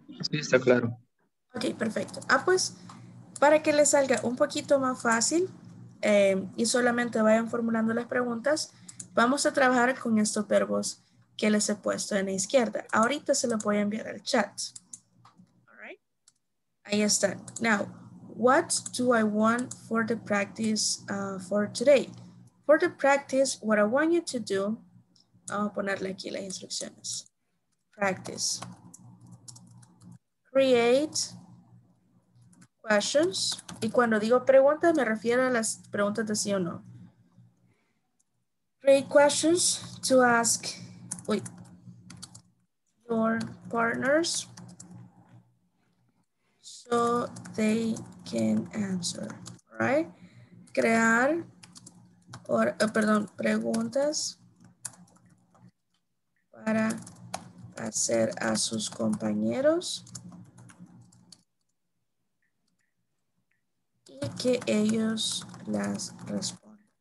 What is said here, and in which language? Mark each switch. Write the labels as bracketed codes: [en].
[es] Sí, está claro. Ok, perfecto. Ah, pues, para que les salga un poquito más fácil y solamente vayan formulando las preguntas, vamos a trabajar con estos verbos que les he puesto en la izquierda. Ahorita se lo voy a enviar al chat. [en] All right. [es] Ahí están. [en] Now, what do I want for the practice for today? For the practice, what I want you to do, [es] vamos a ponerle aquí las instrucciones. [en] Practice. Create questions. [es] Y cuando digo preguntas, me refiero a las preguntas de sí o no. [en] Create questions to ask your partners so they can answer, right? [es] Crear, preguntas para hacer a sus compañeros y que ellos las respondan.